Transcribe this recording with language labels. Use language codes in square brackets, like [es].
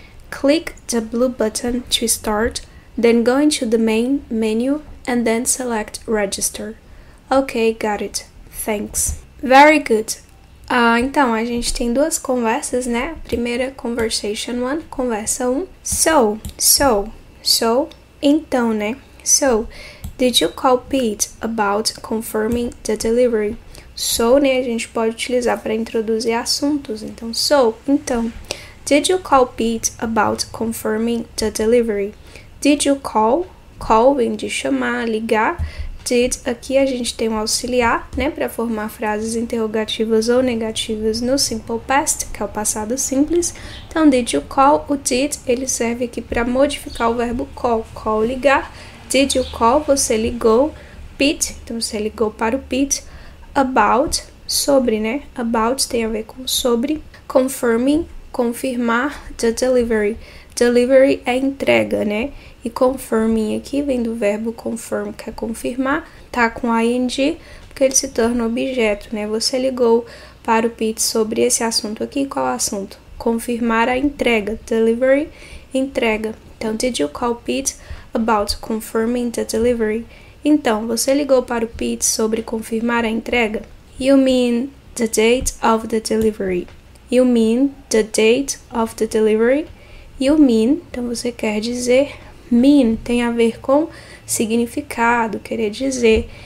[en] Click the blue button to start, then go into the main menu and then select Register. Okay, got it. Thanks. Very good. [pt] Então, a gente tem duas conversas, né? Primeira, [en] conversation 1, [pt] conversa 1. So, então, né? [en] So, did you call Pete about confirming the delivery? [pt] So, né, a gente pode utilizar para introduzir assuntos. Então, so, então. [en] Did you call Pete about confirming the delivery? Did you call? [pt] Call vem de chamar, ligar. Did, aqui a gente tem um auxiliar, né, para formar frases interrogativas ou negativas no simple past, que é o passado simples. Então, [en] did you call? [pt] O did, ele serve aqui para modificar o verbo call. Call, ligar. [en] Did you call? [pt] Você ligou. Pete, então você ligou para o Pete. About, sobre, né? About tem a ver com sobre. Confirming, confirmar [en] the delivery. [pt] Delivery é entrega, né? E confirming aqui vem do verbo confirm, que é confirmar. Tá com ing, porque ele se torna objeto, né? Você ligou para o Pete sobre esse assunto aqui. Qual assunto? Confirmar a entrega. Delivery, entrega. Então, [en] did you call Pete about confirming the delivery? [pt] Então, você ligou para o Pete sobre confirmar a entrega? [en] You mean the date of the delivery. You mean the date of the delivery. You mean, [pt] então você quer dizer, mean tem a ver com significado, querer dizer.